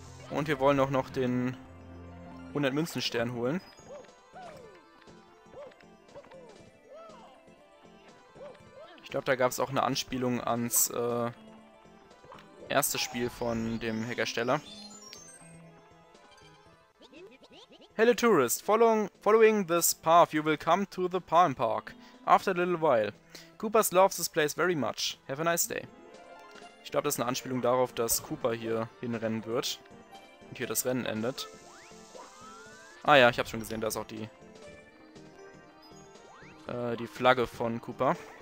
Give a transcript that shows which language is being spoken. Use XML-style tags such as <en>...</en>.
<de>Und wir wollen auch noch den 100-Münzen-Stern holen. Ich glaube, da gab es auch eine Anspielung ans erste Spiel von dem Hackersteller.</de> <en>Hello tourist, following this path you will come to the Palm Park after a little while. Coopers loves this place very much. Have a nice day.</en> <de>Ich glaube, das ist eine Anspielung darauf, dass Cooper hier hinrennen wird und hier das Rennen endet. Ah ja, ich habe schon gesehen, da ist auch die Flagge von Cooper.</de>